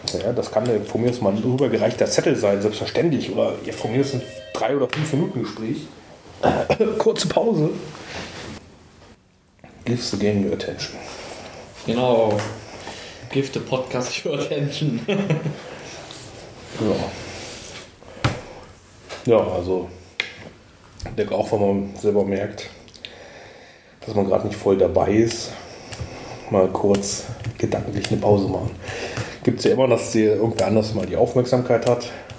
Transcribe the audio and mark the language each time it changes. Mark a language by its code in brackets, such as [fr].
[de] Ja, das kann von mir aus mal ein rübergereichter Zettel sein, selbstverständlich. Oder ja, von mir aus ein 3- oder 5-Minuten Gespräch. Kurze Pause. [en] Give the game your attention. [de] Genau. [en] Give the podcast your attention. [de] Ja. Ja, also ich denke auch, wenn man selber merkt, dass man gerade nicht voll dabei ist, mal kurz gedanklich eine Pause machen. Gibt es ja immer, dass dir irgendwer anders mal die Aufmerksamkeit hat.